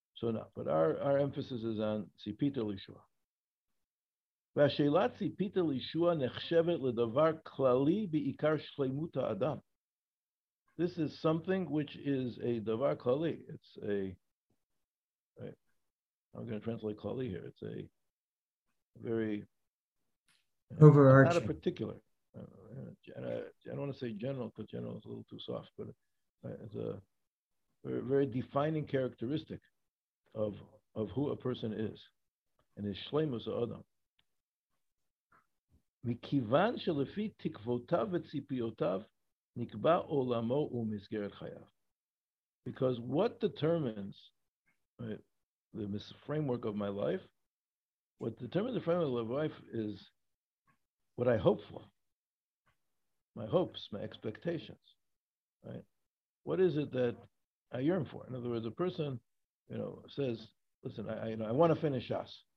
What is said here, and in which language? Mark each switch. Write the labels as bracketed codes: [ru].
[en] So now, but our emphasis is on Tzipita Lishua. [he] והשאלת ציפית לישוע נחשבת לדבר כללי בעיקר שלמות האדם. [en] This is something which is a דבר כללי. It's a, right, I'm going to translate כללי here. It's a very overarching. Not a particular. I don't want to say general because general is a little too soft, but it's a very, very defining characteristic of who a person is. And his שלמות האדם. [he] מכיוון שלפי תקוותיו וציפיותיו נקבע עולמו ומסגרת חייו. [en] Because what determines the framework of my life, what determines the framework of my life is what I hope for, my hopes, my expectations, right? What is it that I yearn for? In other words, a person, you know, says, listen, I want to finish Shas.